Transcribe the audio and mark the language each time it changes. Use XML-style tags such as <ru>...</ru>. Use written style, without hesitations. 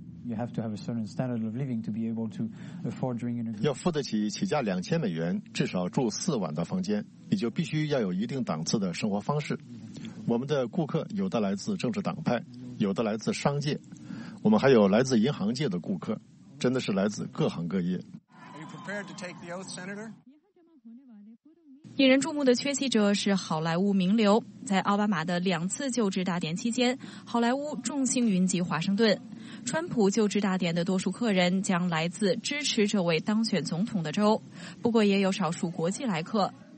<en>You have to have a certain standard of living to be able to afford during an agreement.</en> <zh>要付得起起价$2,000，至少住四晚的房间，你就必须要有一定档次的生活方式。我们的顾客有的来自政治党派，有的来自商界，我们还有来自银行界的顾客，真的是来自各行各业。</zh> <en>Are you prepared to take the oath, Senator?</en> <zh>引人注目的缺席者是好莱坞名流。在奥巴马的两次就职大典期间，好莱坞众星云集华盛顿。川普就职大典的多数客人将来自支持这位当选总统的州，不过也有少数国际来客。</zh>